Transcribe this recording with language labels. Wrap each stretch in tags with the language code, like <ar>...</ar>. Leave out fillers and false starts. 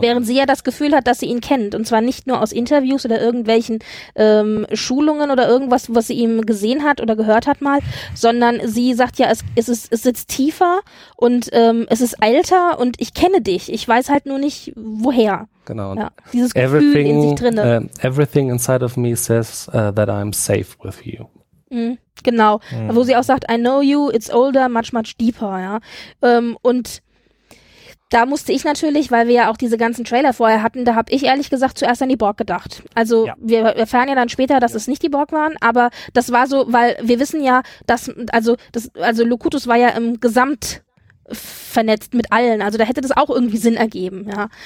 <de>Während sie ja das Gefühl hat, dass sie ihn kennt. Und zwar nicht nur aus Interviews oder irgendwelchen Schulungen oder irgendwas, was sie ihm gesehen hat oder gehört hat mal, sondern sie sagt ja, es sitzt tiefer und es ist älter und ich kenne dich. Ich weiß halt nur nicht, woher. Genau. Ja, dieses Gefühl everything, in sich drinne.</de> <en>Everything inside of me says that I'm safe with you.</en> <de>Genau, wo sie auch sagt,</de> <en>I know you, it's older, much, much deeper,</en> <de>ja. Und da musste ich natürlich, weil wir ja auch diese ganzen Trailer vorher hatten, da habe ich ehrlich gesagt zuerst an die Borg gedacht. Also wir erfahren ja dann später, dass es nicht die Borg waren, aber das war so, weil wir wissen ja, dass, also Locutus war ja im Gesamt vernetzt mit allen, also da hätte das auch irgendwie Sinn ergeben, ja.</de>